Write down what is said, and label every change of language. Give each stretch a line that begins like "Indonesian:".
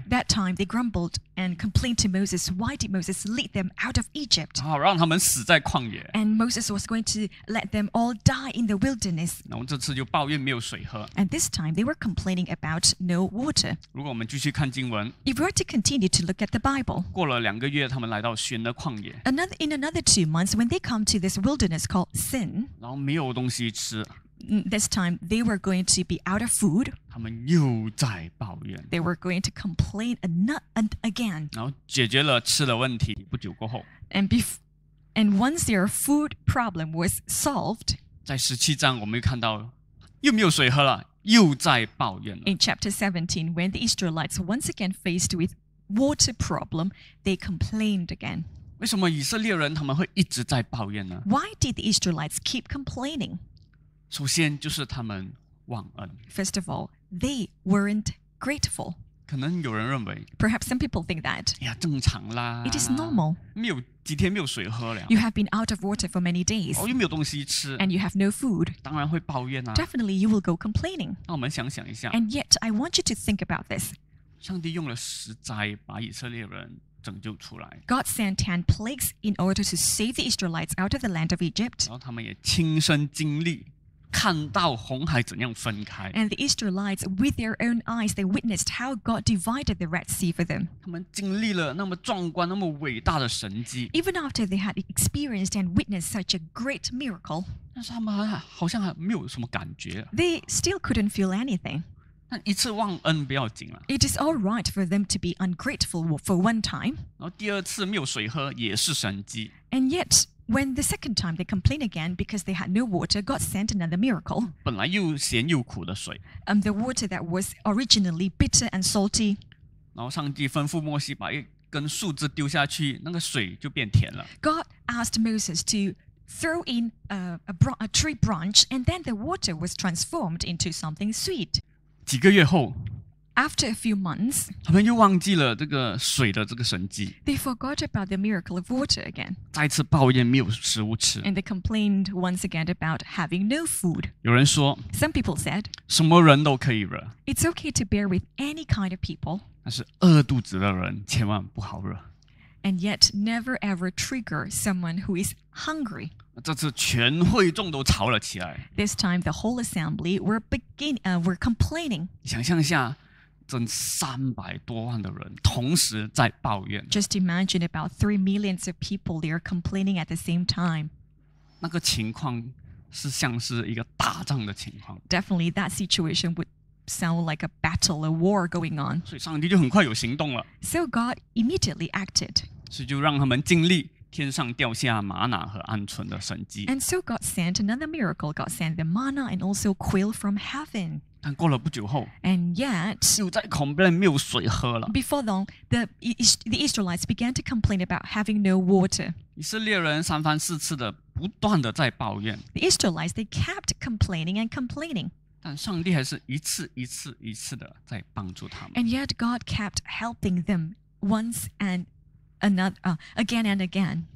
English: ？That time they grumbled and complained to Moses. Why did Moses lead them out of Egypt?
Chinese: 啊，让他们死在旷野。
English: And Moses was going to let them all die in the wilderness.
Chinese: 然后这次就抱怨没有水喝。
English: And this time they were complaining about no water.
Chinese: 如果我们继续看经文
English: ，If we were to continue to look at the Bible,
Chinese: 过了两个月，他们来到寻的旷野。
English: In another 2 months, when they come to this wilderness called Sin,
Chinese: 然后没有东西吃。
English: This time they were going to be out of food.
Chinese: 他们又在抱怨。
English: They were going to complain again.
Chinese: 然后解决了吃的问题，不久过后。
English: And once their food problem was solved,
Chinese: 在十七章我们又看到又没有水喝了，又在抱怨了。
English: In chapter 17, when the Israelites once again faced with water problem, they complained again.
Chinese: 为什么以色列人他们会一直在抱怨呢
English: ？Why did the Israelites keep complaining?
Chinese: 首先就是他们忘恩。
English: First of all, they weren't grateful.
Chinese: 可能有人认为
English: Perhaps some people think that
Chinese: 呀正常啦
English: It is normal
Chinese: 没有几天没有水喝了
English: You have been out of water for many days
Chinese: 哦又没有东西吃
English: And you have no food
Chinese: 当然会抱怨啊
English: Definitely you will go complaining
Chinese: 那我们想想一下
English: And yet I want you to think about this
Chinese: 上帝用了十灾把以色列人拯救出来
English: God sent 10 plagues in order to save the Israelites out of the land of Egypt
Chinese: 然后他们也亲身经历看到红海怎样分开
English: ，and the Israelites with their own eyes they witnessed how God divided the Red Sea for them.
Chinese: 他们经历了那么壮观、那么伟大的神迹。
English: Even after they had experienced and witnessed such a great miracle,
Chinese: 但是他们好像还没有什么感觉。
English: They still couldn't feel anything.
Chinese: 但一次忘恩不要紧了。
English: It is all right for them to be ungrateful for one time.
Chinese: 然后第二次没有水喝也是神迹。
English: And yet. When the second time they complained again because they had no water, God sent another miracle.
Chinese: 本来又咸又苦的水。
English: The water that was originally bitter and salty.
Chinese: 然后上帝吩咐摩西把一根树枝丢下去，那个水就变甜了。
English: God asked Moses to throw in a tree branch, and then the water was transformed into something sweet.
Chinese: 几个月后。
English: After a few months,
Chinese: 他们又忘记了这个水的这个神迹。
English: They forgot about the miracle of water again.
Chinese: 再次抱怨没有食物吃。
English: And they complained once again about having no food.
Chinese: 有人说
English: Some people said,
Chinese: 什么人都可以惹。
English: It's okay to bear with any kind of people.
Chinese: 但是饿肚子的人千万不好惹。
English: And yet, never ever trigger someone who is hungry.
Chinese: 这次全会众都吵了起来。
English: This time, the whole assembly were complaining.
Chinese: 想象一下。真三百多万的人同时在抱怨。
English: Just imagine about 3 million of people they are complaining at the same time.
Chinese: 那个情况是像是一个打仗的情况。
English: Definitely that situation would sound like a battle, a war going on.
Chinese: 所以上帝就很快有行动了。
English: So God immediately acted.
Chinese: 所以就让他们经历天上掉下玛纳和鹌鹑的神迹。
English: And so God sent another miracle. God sent the manna and also quail from heaven.
Chinese: 但过了不久后
English: And yet,
Chinese: 又在 complain 没有水喝了
English: Before long, the Israelites began to complain about having no water.
Chinese: 以色列人三番四次的不断的在抱怨
English: The Israelites, they kept complaining and complaining.
Chinese: 但上帝还是一次一次一次的在帮助他们
English: And yet God kept helping them once and another, again and again.